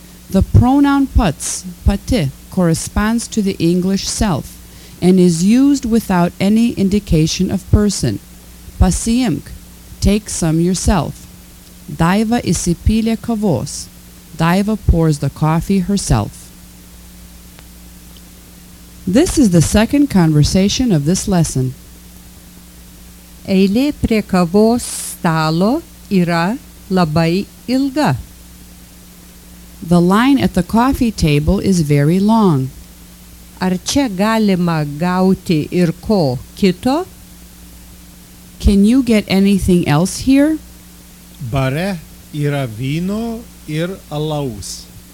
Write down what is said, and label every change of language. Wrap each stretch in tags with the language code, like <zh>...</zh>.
<en>The pronoun pats, pati, corresponds to the English self and is used without any indication of person.</en> <lt>Pasiimk,</lt> <en>take some yourself.</en> <lt>Daiva isipilė kavos.</lt> <en>Daiva pours the coffee herself. This is the second conversation of this lesson.</en> <lt>Eilė prie kavos stalo yra labai ilga.</lt> <en>The line at the coffee table is very long.</en> <lt>Ar čia galima gauti ir ko kito?</lt> <en>Can you get anything else here?</en> <lt>Bare yra vyno ir alaus.</lt>